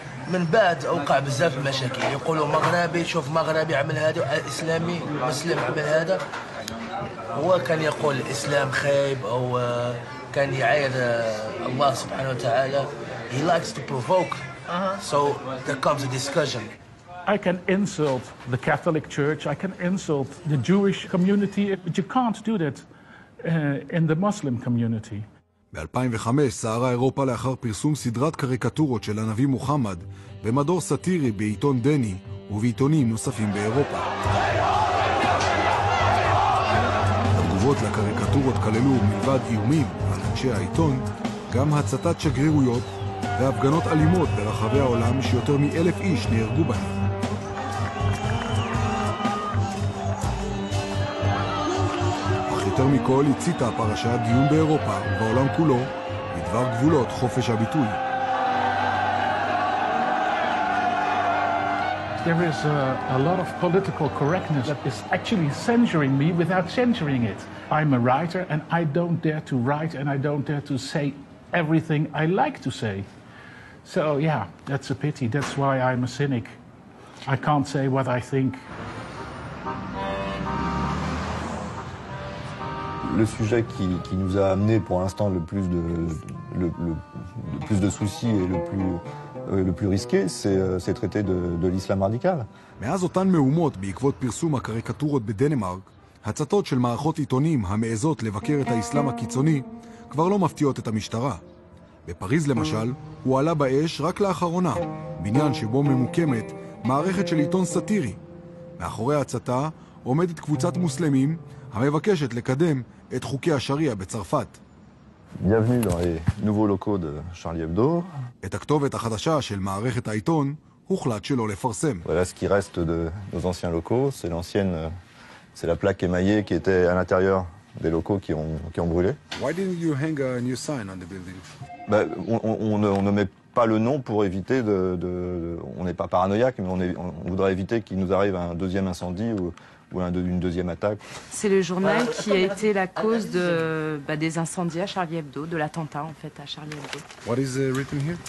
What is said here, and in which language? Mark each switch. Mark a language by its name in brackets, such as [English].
[Arabic] من بعد اوقع بزاف مشاكل يقولوا مغربي شوف مغربي عمل هذا اسلامي مسلم عمل هذا هو كان يقول الاسلام خيب او كان يعاير الله سبحانه وتعالى [English] he likes to provoke so there comes a discussion I can insult the Catholic Church I can insult the Jewish community but you can't do that in the Muslim community [Hebrew] ב-2005 סערה אירופה לאחר פרסום סדרת קריקטורות של הנביא מוחמד במדור סטירי בעיתון דני ובעיתונים נוספים באירופה. התגובות לקריקטורות כללו מלבד איומים על אנשי העיתון, גם הצתת שגרירויות והפגנות אלימות ברחבי העולם שיותר מ-1,000 איש נהרגו בהן. יותר מכל הציתה הפרשה דיון באירופה ובעולם כולו בדבר גבולות חופש הביטוי. [English] There is a lot of political correctness that is actually censoring me without censoring it. I'm a writer and I don't dare to write and I don't dare to say everything I like to say. So yeah, that's a pity. That's why I'm a cynic. I can't say what I think. [French] Le sujet qui nous a amené pour l'instant le plus de soucis et le plus risqué, c'est traité de l'islam radical. [Hebrew] מאז אותן מהומות בעקבות פרסום הקריקטורות בדנמרק, הצתות של מערכות עיתונים המעזות לבקר את האסלאם הקיצוני כבר לא מפתיעות את המשטרה. בפריז למשל, הוא עלה באש רק לאחרונה, בניין שבו ממוקמת מערכת של עיתון סטירי. מאחורי הצתה עומדת קבוצת מוסלמים המבקשת לקדם את חוקי השריעה בצרפת. [French] Bienvenue dans les nouveaux locaux de Charlie Hebdo. [Hebrew] את הכתובת החדשה של מערכת העיתון הוחלט שלא לפרסם. [French] Voilà ce qui reste de nos anciens locaux, c'est l'ancienne, c'est la plaque émaillée qui était à l'intérieur des locaux qui ont brûlé. [English] Why didn't you hang a new sign on the building? [French] On ne met pas le nom pour éviter de on n'est pas paranoïaque, mais on voudrait éviter qu'il nous arrive un deuxième incendie ou une deuxième attaque. C'est le journal qui a été la cause des incendies à Charlie Hebdo, de l'attentat en fait à Charlie Hebdo. [English] What is written here?